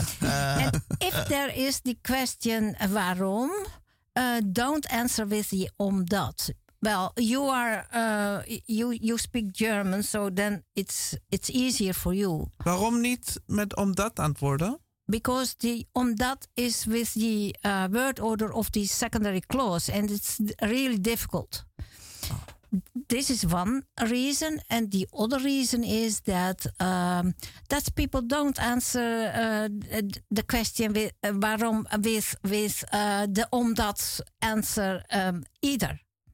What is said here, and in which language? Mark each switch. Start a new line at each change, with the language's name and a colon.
English: And if there is the question waarom, don't answer with the omdat. Well, you are you speak German, so then it's easier for you.
Dutch: Waarom niet met omdat antwoorden?
English: Because the omdat is with the word order of the secondary clause, and it's really difficult. This is one reason, and the other reason is that that people don't answer the question with the omdat answer either.